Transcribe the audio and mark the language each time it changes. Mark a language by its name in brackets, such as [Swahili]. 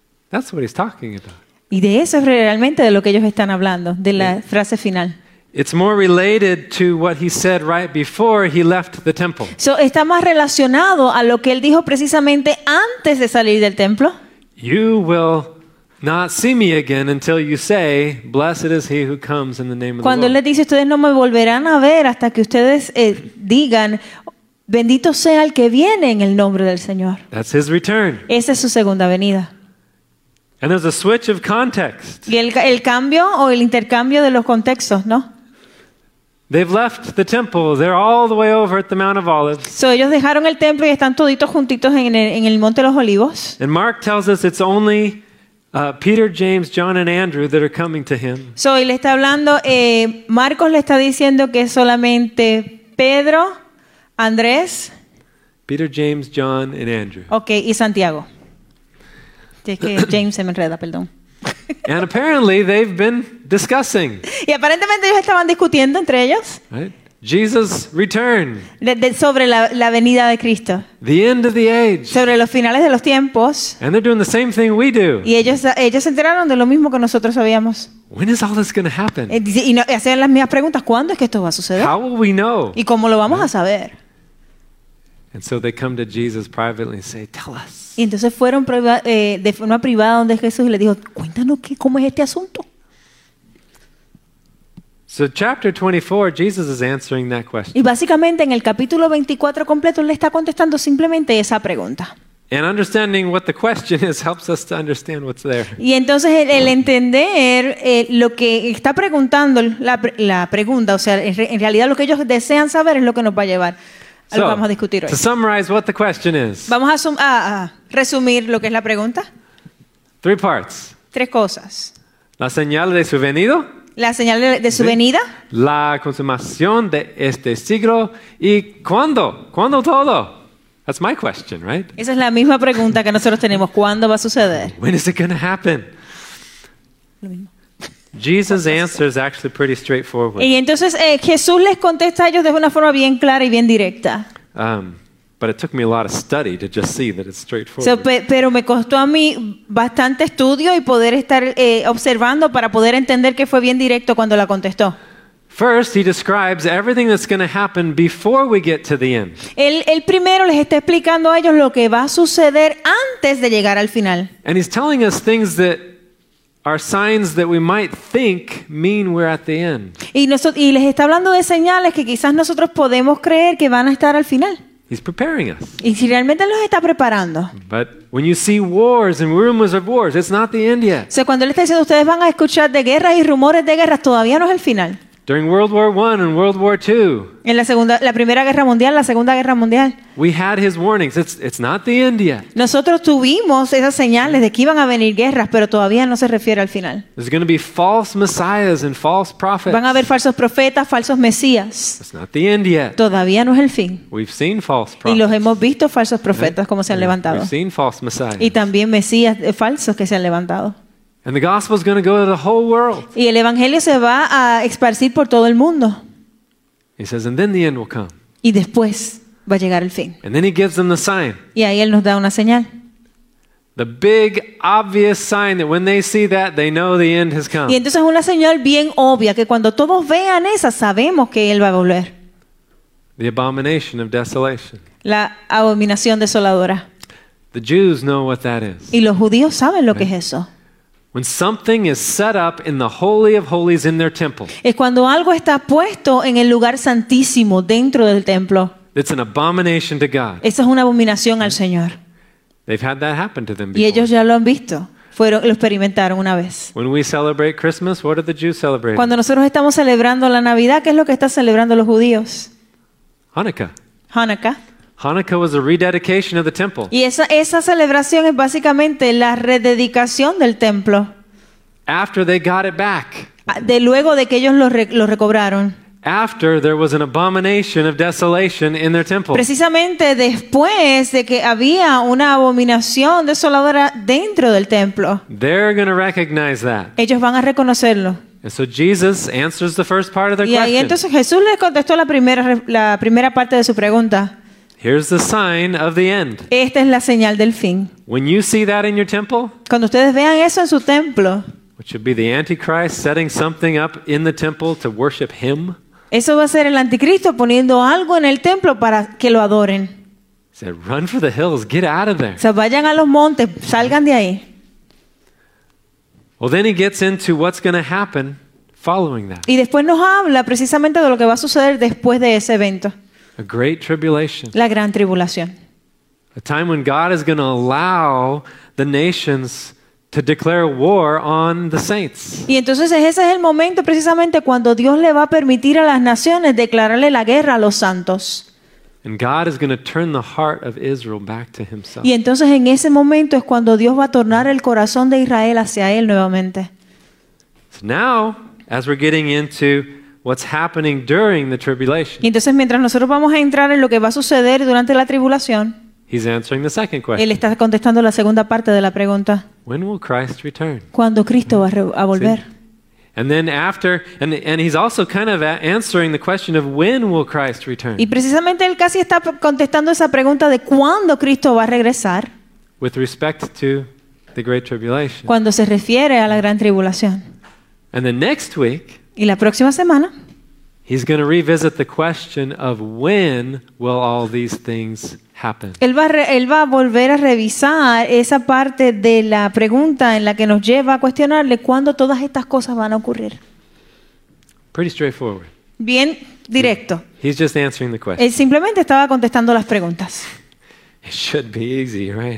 [English] That's what he's talking about. [Spanish] Y de eso es realmente de lo que ellos están hablando, de la frase final. [English] It's more related to what he said right before he left the temple. [Spanish] So está más relacionado a lo que él dijo precisamente antes de salir del templo. [English] You will not see me again until you say, "Blessed is he who comes in the name of the Lord." [Spanish] Cuando él le dice, ustedes no me volverán a ver hasta que ustedes digan, "Bendito sea el que viene en el nombre del Señor." [English] That's his return. [Spanish] Esa es su segunda venida. [English] And there's a switch of context. [Spanish] Y el cambio o el intercambio de los contextos, ¿no? [English] They've left the temple. They're all the way over at the Mount of Olives. [Spanish] So ellos dejaron el templo y están toditos juntitos en el Monte de los Olivos. [English] And Mark tells us it's only Peter, James, John, and Andrew that are coming to him. [Spanish] So él está hablando. Marcos le está diciendo que es solamente Pedro, Andrés. [English] Peter, James, John, and Andrew. [Spanish] Okay, y Santiago. Es que James se me enreda, perdón. [English] And apparently they've been discussing. [Spanish] Y aparentemente ellos estaban discutiendo entre ellos. [English] Right? Jesus' return. [Spanish] Sobre la venida de Cristo. [English] The end of the age. [Spanish] Sobre los finales de los tiempos. [English] And they're doing the same thing we do. [Spanish] Y ellos se enteraron de lo mismo que nosotros sabíamos. [English] When is all this going to happen? [Spanish] Y hacían las mismas preguntas. ¿Cuándo es que esto va a suceder? [English] How will we know? [Spanish] ¿Y cómo lo vamos a saber? [English] And so they come to Jesus privately and say, "Tell us." [Spanish] Y entonces fueron de forma privada donde Jesús y le dijo, "Cuéntanos qué, cómo es este asunto." [English] So chapter 24, Jesus is answering that question. [Spanish] Y básicamente en el capítulo 24 completo él le está contestando simplemente esa pregunta. [English] And understanding what the question is helps us to understand what's there. [Spanish] Y entonces el entender lo que está preguntando la pregunta, o sea, en realidad lo que ellos desean saber es lo que nos va a llevar a lo que vamos a discutir hoy. [English] To summarize what the question is. [Spanish] Vamos a resumir lo que es la pregunta. [English] Three parts. [Spanish] Tres cosas. La señal de su venido. La señal de su venida. La consumación de este siglo. ¿Y cuándo? ¿Cuándo todo? [English] That's my question, right? [Spanish] Esa es la misma pregunta que nosotros tenemos. ¿Cuándo va a suceder? [English] When is it going to happen? [Spanish] Lo mismo. [English] Jesus' answer is actually pretty straightforward. [Spanish] Y entonces Jesús les contesta a ellos de una forma bien clara y bien directa. [English] But it took me a lot of study to just see that it's straightforward. [Spanish] Pero me costó a mí bastante estudio y poder estar observando para poder entender que fue bien directo cuando la contestó. [English] First, he describes everything that's going to happen before we get to the end. [Spanish] El primero les está explicando a ellos lo que va a suceder antes de llegar al final. [English] And he's telling us things that are signs that we might think mean we're at the end. [Spanish] Y les está hablando de señales que quizás nosotros podemos creer que van a estar al final. [English] He's preparing us. [Spanish] Y si realmente los está preparando. [English] But when you see wars and rumors of wars, it's not the end yet. [Spanish] O sea, cuando él está diciendo ustedes van a escuchar de guerras y rumores de guerras, todavía no es el final. [English] During World War I and World War II. [Spanish] En la Primera Guerra Mundial, la Segunda Guerra Mundial. [English] We had his warnings. It's not the end yet. [Spanish] Nosotros tuvimos esas señales de que iban a venir guerras, pero todavía no se refiere al final. [English] There's going to be false messiahs and false prophets. [Spanish] Van a haber falsos profetas, falsos mesías. [English] It's not the end yet. [Spanish] Todavía no es el fin. [English] We've seen false prophets. [Spanish] Y los hemos visto falsos profetas como se han levantado. [English] We've seen false messiahs. [Spanish] Y también mesías falsos que se han levantado. [English] And the gospel is going to go to the whole world. [Spanish] Y el evangelio se va a esparcir por todo el mundo. [English] He says, and then the end will come. [Spanish] Y después va a llegar el fin. [English] And then he gives them the sign. [Spanish] Y ahí él nos da una señal. [English] The big obvious sign that when they see that they know the end has come. [Spanish] Y entonces es una señal bien obvia que cuando todos vean esa sabemos que él va a volver. [English] The abomination of desolation. [Spanish] La abominación desoladora. [English] The Jews know what that is. [Spanish] Y los judíos saben lo que es eso. [English] When something is set up in the Holy of Holies in their temple. [Spanish] Es cuando algo está puesto en el lugar santísimo dentro del templo. [English] It's an abomination to God. [Spanish] Esa es una abominación al Señor. [English] They've had that happen to them before. [Spanish] Y ellos ya lo han visto. Lo experimentaron una vez. [English] When we celebrate Christmas, what are the Jews celebrating? [Spanish] Cuando nosotros estamos celebrando la Navidad, ¿qué es lo que están celebrando los judíos? [English] Hanukkah. Hanukkah was a rededication of the temple. [Spanish] Y esa celebración es básicamente la rededicación del templo. [English] After they got it back. [Spanish] Luego de que ellos lo recobraron. [English] After there was an abomination of desolation in their temple. [Spanish] Precisamente después de que había una abominación desoladora dentro del templo. [English] They're going to recognize that. [Spanish] Ellos van a reconocerlo. [English] And so Jesus answers the first part of their question. [Spanish] Y entonces Jesús les contestó la primera parte de su pregunta. [English] Here's the sign of the end. [Spanish] Esta es la señal del fin. [English] When you see that in your temple, [Spanish] cuando ustedes vean eso en su templo, [English] which would be the Antichrist setting something up in the temple to worship him. [Spanish] Eso va a ser el anticristo poniendo algo en el templo para que lo adoren. [English] He said, "Run for the hills, get out of there." [Spanish] O sea, vayan a los montes, salgan de ahí. [English] Well, then he gets into what's going to happen following that. [Spanish] Y después nos habla precisamente de lo que va a suceder después de ese evento. [English] A great tribulation. [Spanish] La gran tribulación. [English] A time when God is going to allow the nations to declare war on the saints. [Spanish] Y entonces ese es el momento precisamente cuando Dios le va a permitir a las naciones declararle la guerra a los santos. [English] And God is going to turn the heart of Israel back to himself. [Spanish] Y entonces en ese momento es cuando Dios va a tornar el corazón de Israel hacia él nuevamente. [English] So now, as we're getting into what's happening during the tribulation. [Spanish] Y entonces mientras nosotros vamos a entrar en lo que va a suceder durante la tribulación. [English] He's answering the second question. [Spanish] Él está contestando la segunda parte de la pregunta. [English] When will Christ return? [Spanish] ¿Cuándo Cristo va a volver? [English] And then after, and he's also kind of answering the question of when will Christ return? [Spanish] Y precisamente él casi está contestando esa pregunta de cuándo Cristo va a regresar. [English] With respect to the great tribulation. [Spanish] Cuando se refiere a la gran tribulación. [English] And the next week. [Spanish] Y la próxima semana. [English] He's going to revisit the question of when will all these things happen. [Spanish] Él va a volver a revisar esa parte de la pregunta en la que nos lleva a cuestionarle cuándo todas estas cosas van a ocurrir. [English] Pretty straightforward. [Spanish] Bien directo. [English] He's just answering the question. [Spanish] Él simplemente estaba contestando las preguntas. [English] It should be easy, right?